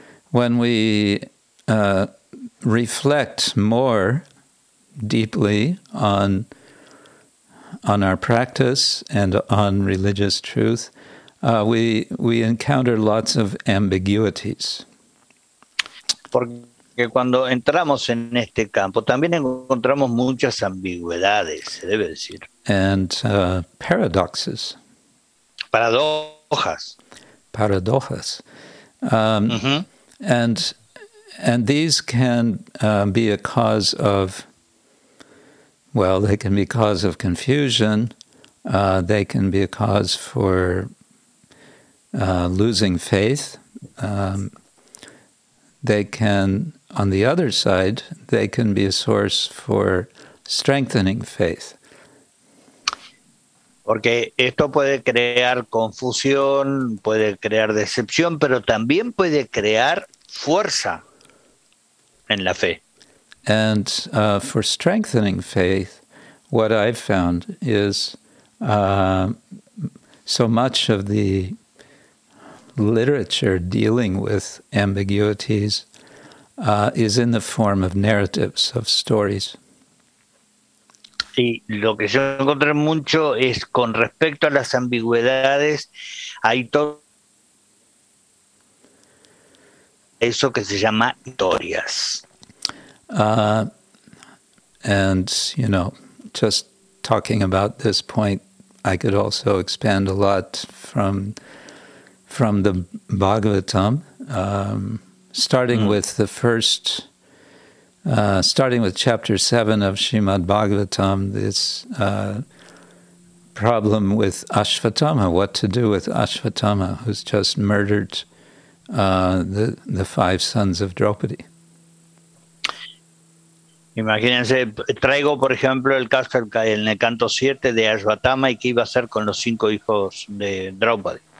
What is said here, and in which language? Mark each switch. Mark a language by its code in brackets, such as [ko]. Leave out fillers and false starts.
[en] When we reflect more deeply on our practice and on religious truth, we encounter lots of ambiguities. [es] Porque cuando entramos en este campo, también encontramos muchas ambigüedades, se debe decir. [en] And paradoxes. [es] Paradojas. Paradojas. [en] And these can be a cause of, well, they can be cause of confusion. They can be a cause for losing faith. They can, on the other side, they can be a source for strengthening faith. [es] Porque esto puede crear confusión, puede crear decepción, pero también puede crear fuerza en la fe. [en] And for strengthening faith, what I've found is so much of the literature dealing with ambiguities is in the form of narratives, of stories. [es] Y lo que yo encontré mucho es, con respecto a las ambigüedades, hay todo eso que se llama historias. [en] And, you know, just talking about this point, I could also expand a lot from the Bhagavatam, starting with the first... starting with chapter 7 of Srimad Bhagavatam, this problem with Ashvatthama, what to do with Ashvatthama, who's just murdered the five sons of Draupadi. [es] Imagínense, traigo por ejemplo el caso en el canto 7 de Ashvatthama y qué iba a hacer con los cinco hijos de Draupadi.